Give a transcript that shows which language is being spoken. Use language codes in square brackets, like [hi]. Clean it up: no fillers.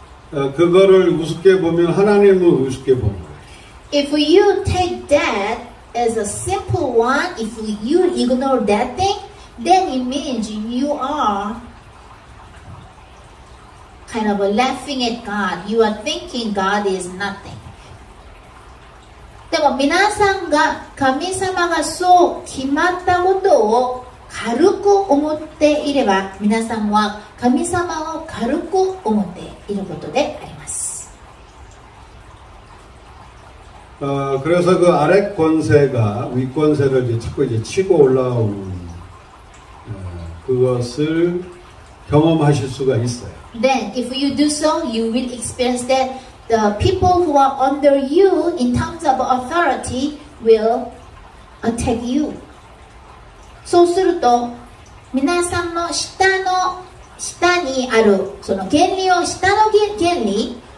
[ko] 그거를우습게보면하나님을우습게보는 [en] If you take that as a simple one, if you ignore that thing, then it means you are kind of laughing at God. You are thinking God is nothing. [ja] でも皆さんが神様がそう決まったことを軽く思っていれば皆さんは神様を軽く思っていることであります。 [ko] 그래서그아래권세가위권세를이제자꾸이제치고올라오는그것을경험하실수가있어요 [en] Then if you do so, you will experience that the people who are under you in terms of authority will attack you. [ja] そうすると皆さんの下にあるその権利を下の権利